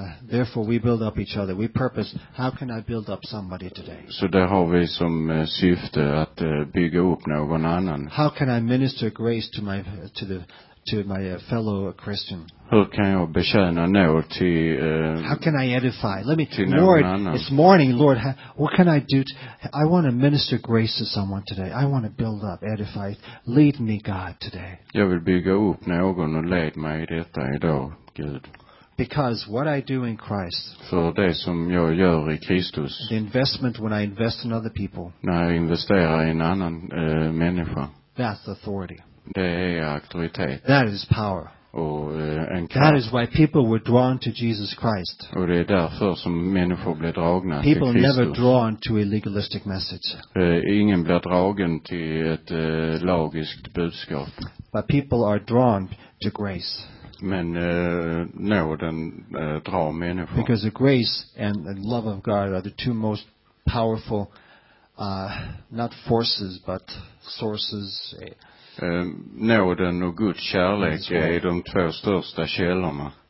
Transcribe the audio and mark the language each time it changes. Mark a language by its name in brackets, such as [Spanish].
[English] Therefore we build up each other. We purpose, how can I build up somebody today? [Swedish] Så där har vi som syfte att bygga upp någon annan. [English] How can I minister grace to my to my fellow Christian? [Swedish] Hur kan jag betjäna nåd till [English] how can I edify? Let me, Lord, it's morning, Lord, what can I do? I want to minister grace to someone today. I want to build up, edify. Lead me, God, today. [Swedish] Jag vill bygga upp någon och led mig i detta idag. [English] Good. Because what I do in Christ, [Swedish] för det som jag gör i Kristus, [English] the investment when I invest in other people, [Swedish] när jag investerar i en annan människa, [English] that's authority. [Swedish] Det är auktoritet. [English] That is power. [Swedish] Och, [English] that is why people were drawn to Jesus Christ. [Swedish] Och det är därför som människor blev dragna [English] people [Swedish] till Kristus. [English] People never drawn to a legalistic message. [Swedish] Ingen blir dragen till ett lagiskt budskap. [English] But people are drawn to grace. [Swedish] Men nåden drar människor. [English] Because the grace and the love of God are the two most powerful, not forces, but sources. [Swedish] Nåden och Guds kärlek är de två största källorna.